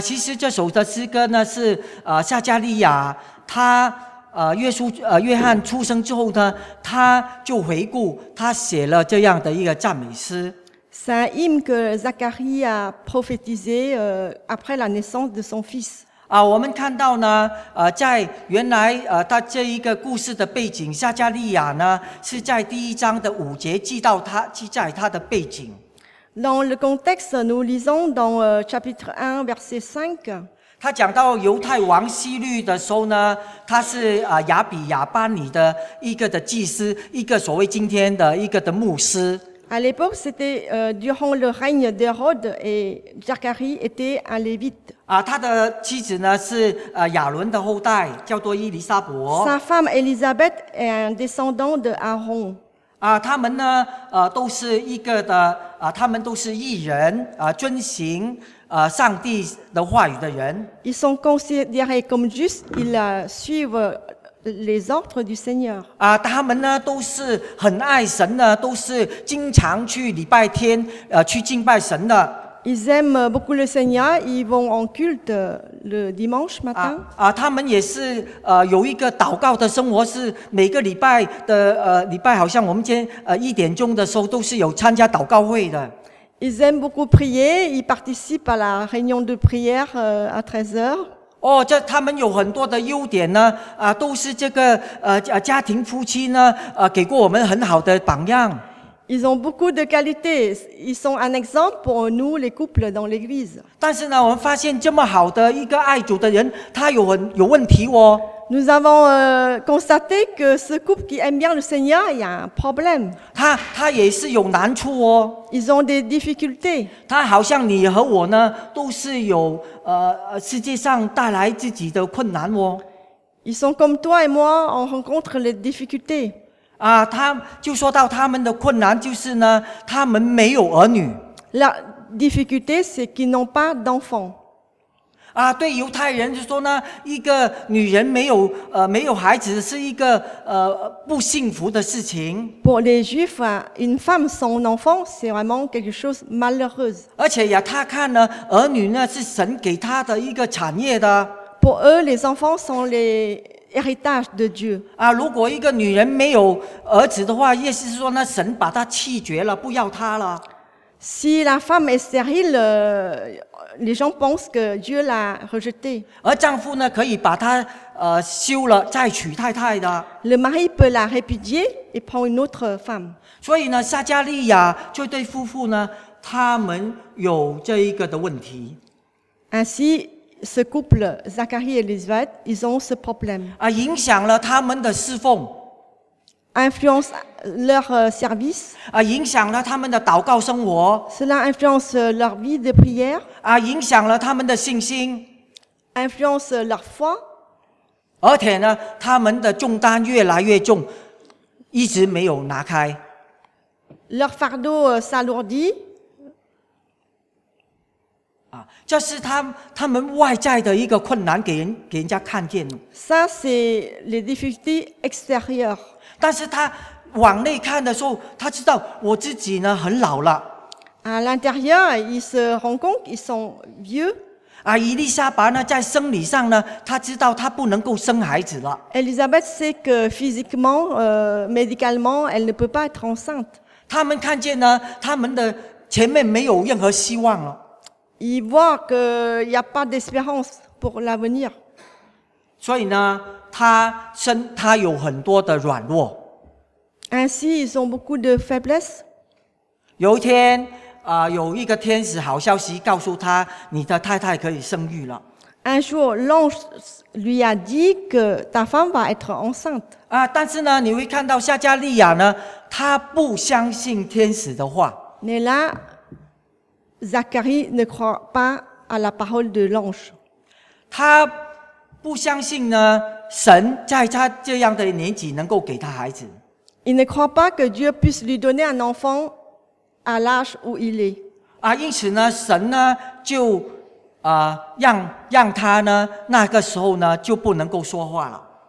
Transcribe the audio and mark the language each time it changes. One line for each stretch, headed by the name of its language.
Chinese: 其实这首的诗歌呢是撒迦利亚他约翰出生之后呢，他就回顾他写了这样的一个赞美诗。
French: C'est un hymne que Zacharie a prophétisé après la naissance de son fils.
Chinese: 我们看到呢，在原来他这一个故事的背景，撒迦利亚呢是在第一章的五节记载他的背景。
French: Dans le contexte, nous lisons dans chapitre 1, verset 5.
Chinese: 他讲到犹太王希律的时候呢，他是亚比亚班尼的一个的祭司，一个所谓今天的一个的牧师。
French: À l'époque, c'était durant le règne d'Hérode et Zacharie était un Lévite.
Chinese: 他的妻子呢是亚伦的后代，叫做伊丽莎伯。
French: Sa femme Elisabeth est un descendant de Aaron.
Chinese: 他们呢都是一个的他们都是义人遵行上帝的话语的人。
French: Ils sont considérés comme justes, ils suivent les ordres du Seigneur.
Chinese: 他们呢都是很爱神的，都是经常去礼拜天去敬拜神的。
French: Ils aiment beaucoup le Seigneur, ils vont en culte le dimanche matin.
Chinese: 他们也是有一个祷告的生活，是每个礼拜的礼拜，好像我们今天一点钟的时候都是有参加祷告会的。
French: Ils aiment beaucoup prier, ils participent à la réunion de prière à 13h.
Chinese: 这他们有很多的优点呢，都是这个家庭夫妻呢，给过我们很好的榜样。
French: Ils ont beaucoup de qualités, ils sont un exemple pour nous les couples dans l'église.
Chinese: 但是呢，我们发现这么好的一个爱主的人，他有问题哦。
French: Nous avons constaté que ce couple qui aime bien le Seigneur y a un problème.
Chinese: 他也是有难处哦。
French: Ils ont des difficultés.
Chinese: 他好像你和我呢，都是有世界上带来自己的困难哦。
French: Ils sont comme toi et moi, on rencontre les difficultés.
Chinese: 他就说到他们的困难就是呢，他们没有儿女。
French: La difficulté, c'est qu'ils n'ont pas d'enfants.
Chinese: 对犹太人就说呢，一个女人没有孩子是一个不幸福的事情。
French: Pour les Juifs, une femme sans enfant, c'est vraiment quelque chose malheureuse.
Chinese: 而且呀，他看呢，儿女呢是神给他的一个产业的。
French: Pour eux, les enfants sont les héritages de Dieu.
Chinese: 如果一个女人没有儿子的话，意思是说呢，神把她弃绝了，不要她了。
French: Si la femme est stérile,Les gens pensent que Dieu l'a rejeté.
Chinese: 而丈夫呢，可以把他休了，再娶太太的。
French: Le mari peut la répudier et prendre une autre femme.
Chinese: 所以呢，撒迦利亚这对夫妇呢，他们有这一个的问题。
French: Ainsi, ce couple, Zacharie et Elisabeth, ils ont ce problème.
Chinese: 影响了他们的侍奉。
French: Influence leur service.
Chinese: 影响了他们的祷告生活。
French: Cela influence leur vie de prière.
Chinese: 影响了他们的信心。
French: Influence leur foi.
Chinese: 而且呢，他们的重担越来越重，一直没有拿开。
French: Leur fardeau s'alourdit.
Chinese: 这是他们外在的一个困难，给人家看见。
French: Ça c'est les difficultés extérieures.
Chinese: 但是他往内看的时候，他知道我自己呢很老了。
French: À l'intérieur, il se rend compte qu'ils sont vieux.
Chinese: 伊丽莎白呢，在生理上呢，他知道他不能够生孩子了。
French: Elisabeth sait que physiquement, médicalement, elle ne peut pas être enceinte.
Chinese: 他们看见呢，他们的前面没有任何希望了。
French: Ils voient que y a pas d'espérance pour l'avenir.
Chinese: 所以呢。他有很多的软弱。
French: Ainsi, ils ont beaucoup de faiblesses.
Chinese: 有一天，有一个天使好消息告诉他，你的太太可以生育了。
French: Un jour, l'ange lui a dit que ta femme va être enceinte.
Chinese: 但是呢，你会看到撒迦利亚呢，他不相信天使的话。
French: Mais là, Zacharie ne croit pas à la parole de l'ange.
Chinese: 他不相信呢。神在他这样的年纪能够给他孩子。
French: Il ne croit pas que Dieu puisse lui donner un enfant à l'âge où il est.
Chinese: 啊，因此呢，神呢就啊、让他呢那个时候呢就不能够说话了。